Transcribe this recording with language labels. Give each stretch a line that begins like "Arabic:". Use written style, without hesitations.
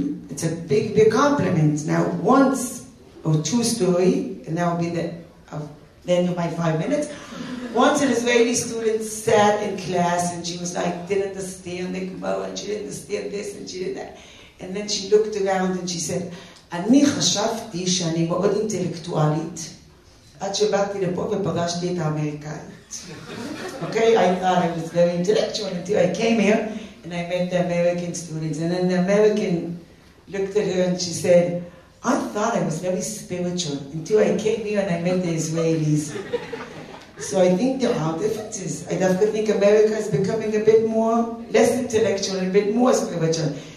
English: It's a big, big compliment. Now, once or two story, and that will be the end of my 5 minutes. Once an Israeli student sat in class and she was like, didn't understand the Gemara, and she didn't understand this and she did that. And then she looked around and she said,
Hebrew: אני חשבתי שאני מאוד אינטלקטואלית עד שבאתי לפה ופגשתי את האמריקאית.
English: Okay, I thought I was very intellectual until I came here and I met the American students. And then the American looked at her and she said, I thought I was very spiritual until I came here and I met the Israelis. So I think there are differences. I definitely think America is becoming a bit more, less intellectual, a bit more spiritual.